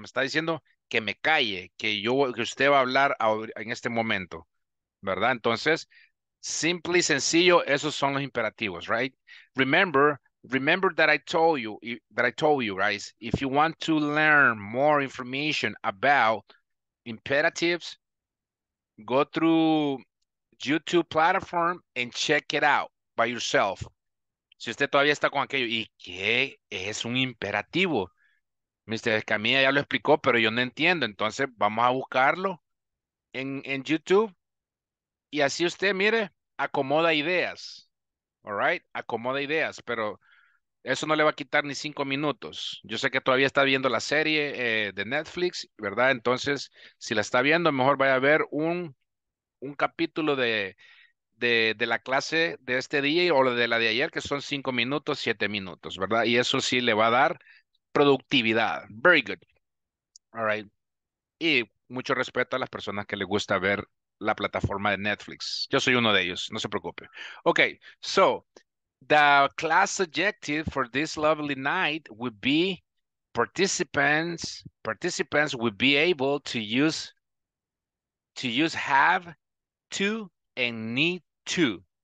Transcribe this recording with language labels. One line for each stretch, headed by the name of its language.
Spanish: Me está diciendo que me calle, que usted va a hablar en este momento, ¿verdad? Entonces, simple y sencillo, esos son los imperativos, right?
English: Remember that I told you, guys, if you want to learn more information about imperatives, go through YouTube platform and check it out by yourself.
Spanish: Si usted todavía está con aquello, ¿y qué es un imperativo? Mr. Escamilla ya lo explicó, pero yo no entiendo. Entonces, vamos a buscarlo en YouTube. Y así usted, mire, acomoda ideas.
English: All right?
Spanish: Acomoda ideas, pero eso no le va a quitar ni 5 minutos. Yo sé que todavía está viendo la serie de Netflix, ¿verdad? Entonces, si la está viendo, mejor vaya a ver un capítulo de la clase de este día o de la de ayer, que son 5 minutos, 7 minutos, ¿verdad? Y eso sí le va a dar productividad.
English: Very good. All right.
Spanish: Y mucho respeto a las personas que les gusta ver la plataforma de Netflix. Yo soy uno de ellos, no se preocupe.
English: Okay, so the class objective for this lovely night would be participants would be able to use have to and need to.